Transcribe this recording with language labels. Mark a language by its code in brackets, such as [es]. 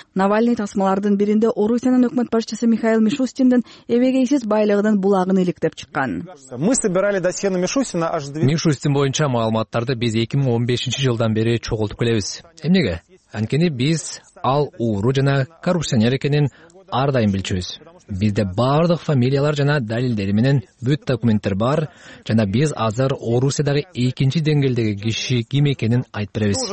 [ky] Навальный тасмалардын биринде Орусиянын өкмөт башчысы Михаил Мишустиндин эбегейсиз байлыгынын булагын иликтеп чыккан. [ru] Мы собирали досье на Мишустина аж 2. [ky] Мишустин боюнча маалыматтарды биз 2015 жылдан бери чогултуп келебиз. Эмнеге? Анткени биз ал уру жана коррупционер экенин ар дайым билчүбүз. Бизде бардык фамилиялар жана далилдери менен бүт документтер бар жана биз азыр Орусиядагы экинчи деңгээлдеги киши ким экенин айтып беребиз.